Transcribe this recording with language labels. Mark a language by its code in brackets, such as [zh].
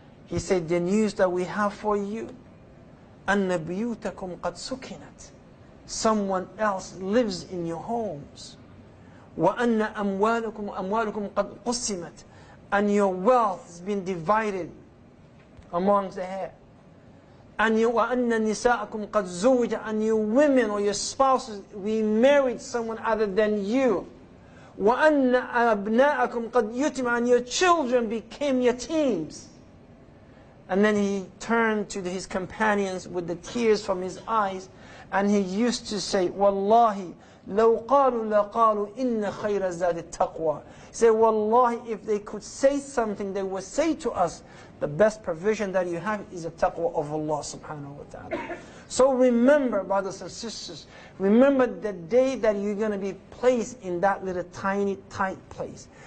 [en] He said, the news that we have for you, [ar] أَنَّ بِيُوتَكُمْ قَدْ سُكِنَتْ. [en] Someone else lives in your homes. [ar] وَأَنَّ أَمْوَالُكُمْ قَدْ قُسِّمَتْ. [en] And your wealth has been divided amongst the hair. [ar] And وَأَنَّ نِسَاءَكُمْ قَدْ زُوِّجَ. [en] And your women or your spouses, we married someone other than you. [ar] وَأَنَّ أَبْنَاءَكُمْ قَدْ يُتِمَ. [en] And your children became yatims. And then he turned to his companions with the tears from his eyes. And he used to say, [ar] وَاللَّهِ لَوْ قَالُوا لَقَالُوا إِنَّ خَيْرَ زَادِ التَّقْوَى. [en] Say, wallahi, if they could say something, they would say to us, the best provision that you have is the taqwa of Allah subhanahu wa ta'ala. So remember, brothers and sisters, remember the day that you're going to be placed in that little tiny, tight place.